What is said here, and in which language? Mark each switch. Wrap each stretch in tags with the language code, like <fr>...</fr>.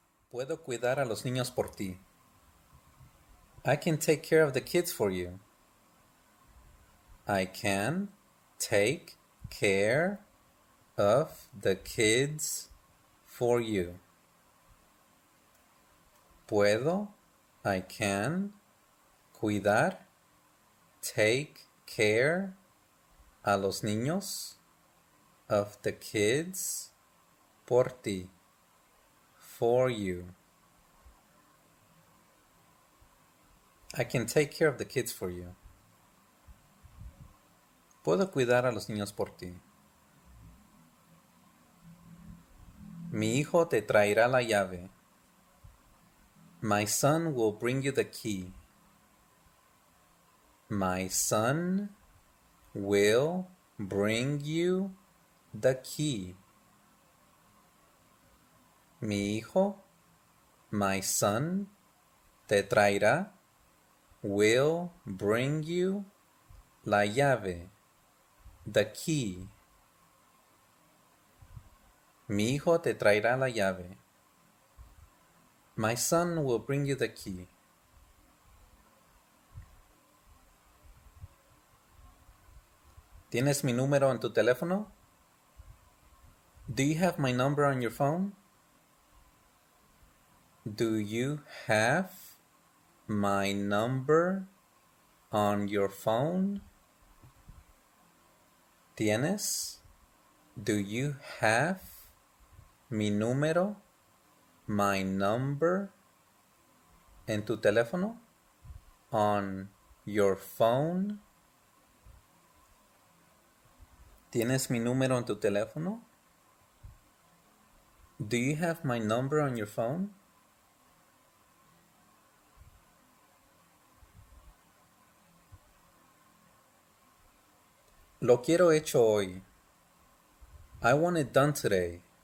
<es>Puedo cuidar a los niños por ti.</es> <en>I can take care of the kids for you. I can take care of the kids for you.</en> <es>Puedo,</es> <en>I can,</en> <es>cuidar,</es> <en>take care</en> <es>a los niños.</es> <en>Of the kids,</en> <es>por ti,</es> <en>for you. I can take care of the kids for you.</en> <es>Puedo cuidar a los niños por ti. Mi hijo te traerá la llave.</es> <en>My son will bring you the key. My son will bring you the key.</en> <es>Mi hijo,</es> <en>my son,</en> <es>te traerá,</es> <en>will bring you</en> <es>la llave,</es> <en>the key.</en> <es>Mi hijo te traerá la llave.</es> <en>My son will bring you the key.</en> <es>¿Tienes mi número en tu teléfono?</es> <en>Do you have my number on your phone? Do you have my number on your phone?</en> <es>¿Tienes?</es> <en>Do you have?</en> <es>Mi número,</es> <en>my number,</en> <es>en tu teléfono,</es> <en>on your phone.</en> <es>¿Tienes mi número en tu teléfono?</es> <en>Do you have my number on your phone?</en> <es>Lo quiero hecho hoy.</es> <en>I want it done today.</en>